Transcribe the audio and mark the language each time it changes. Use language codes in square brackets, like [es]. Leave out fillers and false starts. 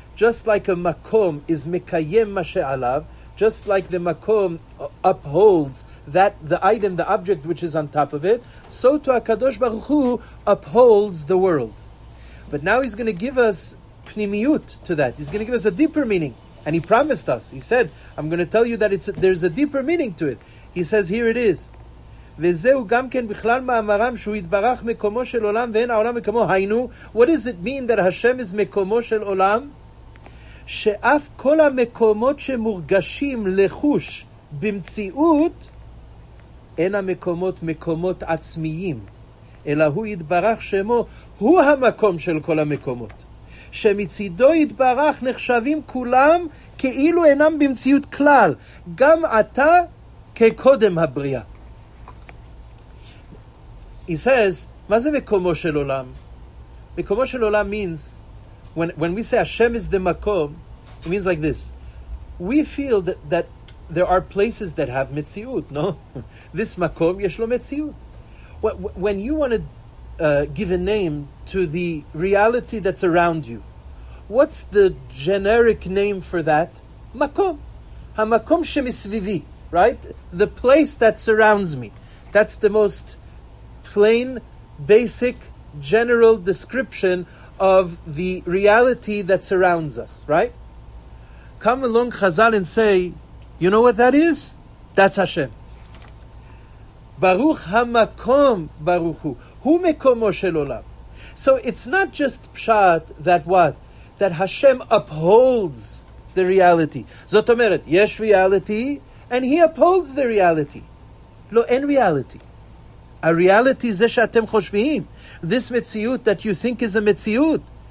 [en] Just like a makom is mekayem mashe'alav, just like the makom upholds that the item, the object which is on top of it, so to HaKadosh Baruch Hu upholds the world. But now he's going to give us pnimiyut to that. He's going to give us a deeper meaning. And he promised us. He said, I'm going to tell you that there's a deeper meaning to it. He says, here it is. [he] וזהו גם כן בכלל מאמרם שהוא יתברך מקומו של עולם ואין העולם מקומו. היינו, [en] what does it mean that Hashem is [he] מקומו של עולם? שאף כל המקומות שמורגשים לחוש במציאות, אין המקומות מקומות עצמיים, אלא הוא יתברך שמו, הוא המקום של כל המקומות. שמצידו יתברך נחשבים כולם כאילו אינם במציאות כלל, גם אתה כקודם הבריאה. [en] He says, [he] מה זה מקומו של עולם? מקומו של עולם [en] means, when we say Hashem is the makom, it means like this. We feel that there are places that have מציאות, no? This makom [he] יש לו מציאות. [en] When you want to give a name to the reality that's around you, what's the generic name for that? [he] Makom. המקום שמסביבי, right? [en] The place that surrounds me. That's the most plain, basic, general description of the reality that surrounds us, right? Come along Chazal and say, you know what that is? That's Hashem. [he] Baruch HaMakom Baruch Hu. Hu Mekomo Shel Olam. [en] So it's not just pshat that what? That Hashem upholds the reality. [he] Zot omeret, yesh [en] reality, and He upholds the reality. [he] Lo, en reality. [en] A reality [he] זה שאתם חושבים. [en] This מציאות that you think is a מציאות.